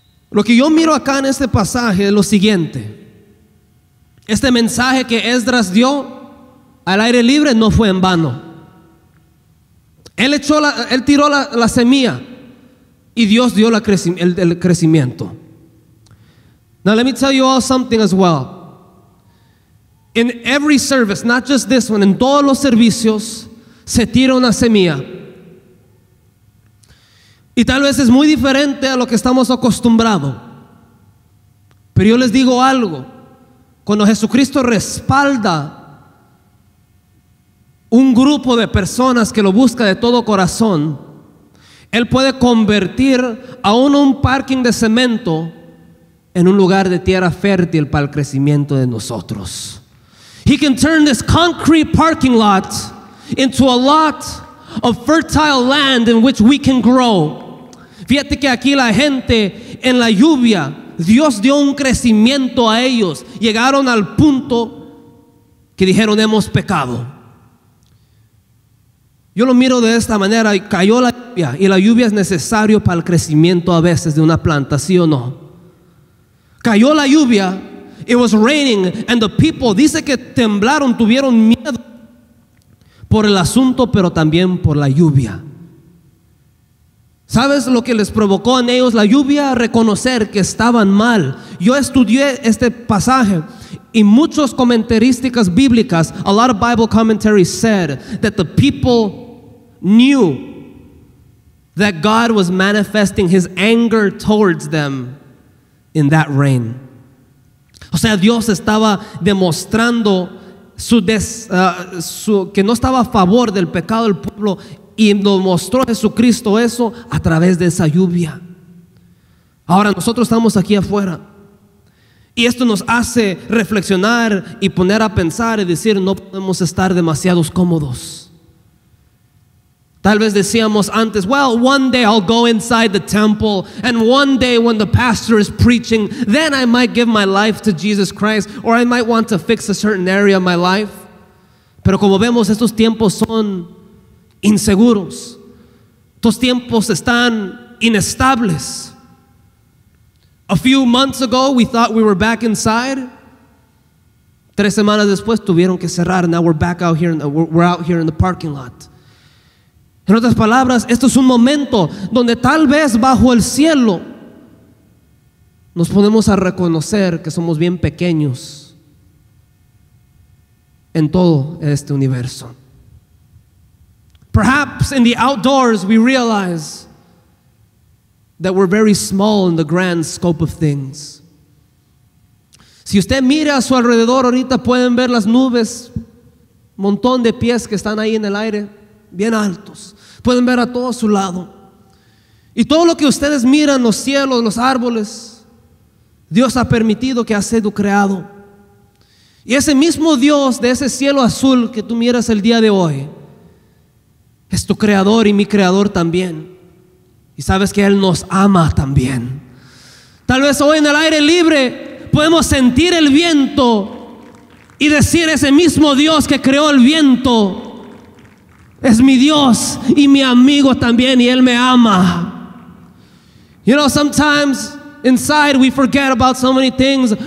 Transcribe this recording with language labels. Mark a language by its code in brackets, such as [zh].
[es] Lo que yo miro acá en este pasaje es lo siguiente. Este mensaje que Esdras dio al aire libre no fue en vano. Él tiró la semilla y Dios dio el crecimiento. [en] Now let me tell you all something as well. In every service, not just this one, [es] en todos los servicios se tira una semilla. Y tal vez es muy diferente a lo que estamos acostumbrados. Pero yo les digo algo. Cuando Jesucristo respalda un grupo de personas que lo busca de todo corazón, Él puede convertir aún un parking de cemento en un lugar de tierra fértil para el crecimiento de nosotros. [en] He can turn this concrete parking lot into a lot of fertile land in which we can grow. [es] Fíjate que aquí la gente en la lluvia, Dios dio un crecimiento a ellos. Llegaron al punto que dijeron, hemos pecado. Yo lo miro de esta manera, cayó la lluvia y la lluvia es necesario para el crecimiento a veces de una planta, ¿sí o no? Cayó la lluvia, [en] it was raining and the people, [es] dice que temblaron, tuvieron miedo por el asunto, pero también por la lluvia. ¿Sabes lo que les provocó en ellos? La lluvia, reconocer que estaban mal. Yo estudié este pasaje. Y muchos comentaristas bíblicas, [en] a lot of Bible commentaries said that the people knew that God was manifesting His anger towards them in that rain. [es] O sea, Dios estaba demostrando que no estaba a favor del pecado del pueblo y nos mostró Jesucristo eso a través de esa lluvia. Ahora nosotros estamos aquí afuera. Y esto nos hace reflexionar y poner a pensar y decir, no podemos estar demasiado cómodos. Tal vez decíamos antes, [en] well, one day I'll go inside the temple and one day when the pastor is preaching, then I might give my life to Jesus Christ or I might want to fix a certain area of my life. [es] Pero como vemos, estos tiempos son inseguros. Estos tiempos están inestables. [en] A few months ago, we thought we were back inside. [es] Tres semanas después, tuvieron que cerrar. [en] Now we're back out here. We're out here in the parking lot. [es] En otras palabras, esto es un momento donde tal vez bajo el cielo nos ponemos a reconocer que somos bien pequeños en todo este universo. [en] Perhaps in the outdoors we realize that we're very small in the grand scope of things. [es] Si usted mira a su alrededor ahorita, pueden ver las nubes, un montón de pies que están ahí en el aire, bien altos. Pueden ver a todo su lado. Y todo lo que ustedes miran, los cielos, los árboles, Dios ha permitido que ha sido creado. Y ese mismo Dios de ese cielo azul que tú miras el día de hoy, es tu creador y mi creador también. Y sabes que Él nos ama también. Tal vez hoy en el aire libre podemos sentir el viento y decir: ese mismo Dios que creó el viento es mi Dios y mi amigo también, y Él me ama. [en] You know, sometimes inside we forget about so many things.